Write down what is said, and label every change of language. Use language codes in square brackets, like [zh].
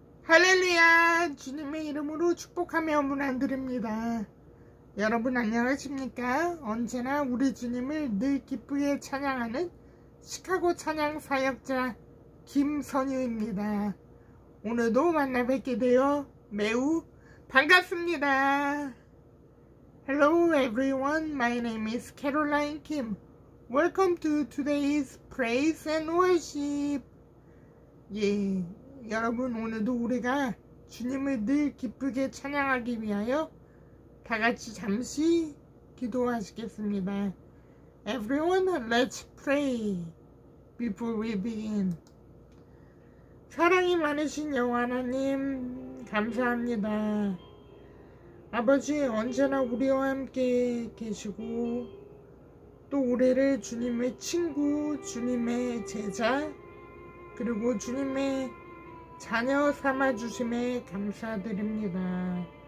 [ko] 할렐루야, 주님의 이름으로 축복하며 문안드립니다. 여러분 안녕하십니까? 언제나 우리 주님을 늘 기쁘게 찬양하는 시카고 찬양 사역자 김선유입니다. 오늘도 만나 뵙게 되어 매우 반갑습니다. [en] Hello everyone, my name is Caroline Kim. Welcome to today's praise and worship. [ko] 여러분, 오늘도 우리가 주님을 늘 기쁘게 찬양하기 위하여 다 같이 잠시 기도하시겠습니다. [en] Everyone, let's pray before we begin. [ko] 사랑이 많으신 여호와 하나님, 감사합니다. 아버지, 언제나 우리와 함께 계시고, 또 우리를 주님의 친구, 주님의 제자, 그리고 주님의 자녀 삼아 주심에 감사드립니다.